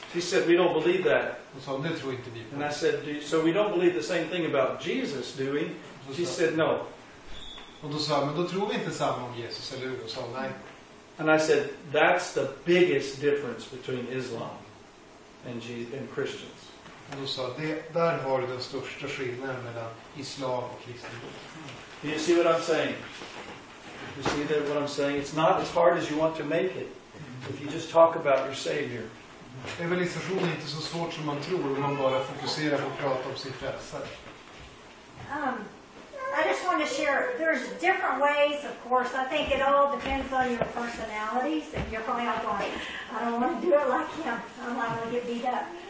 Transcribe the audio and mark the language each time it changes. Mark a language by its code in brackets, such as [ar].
[en] He said, we don't believe that. [sv] Och sa han, det tror inte vi på. [en] And I said, so we don't believe the same thing about Jesus, do we? She said, no. [sv] Och då sa jag, men då tror vi inte samma om Jesus, eller hur? Och sa nej. [en] And I said, that's the biggest difference between Islam and Jesus and Christians. [sv] Och då sa, där har du den största skillnaden mellan islam och kristendom. [en] Do you see what I'm saying? You see that what I'm saying? It's not as hard as you want to make it. If you just talk about your Savior. [sv] Evangelisation är inte så svårt som man tror om man bara fokuserar på att prata om sin frälsare. [en] I just want to share, there's different ways, of course. I think it all depends on your personalities. If you're probably not going, I don't want to do it like him. I'm not going to get beat up.